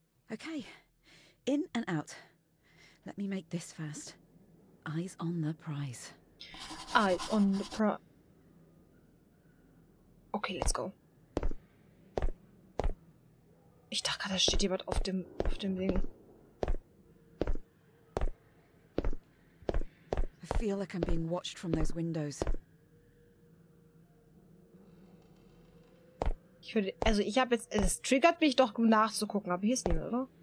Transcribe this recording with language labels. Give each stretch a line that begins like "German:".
English: Okay. In and out. Let me make this first. Eyes on the prize. Eyes on the prize. Okay, let's go.
German: Ich dachte gerade, da steht jemand auf dem Ding.
English: I feel like I'm being watched from those windows.
German: Ich würde, also ich habe jetzt, es triggert mich doch, um nachzugucken, aber hier ist niemand, oder?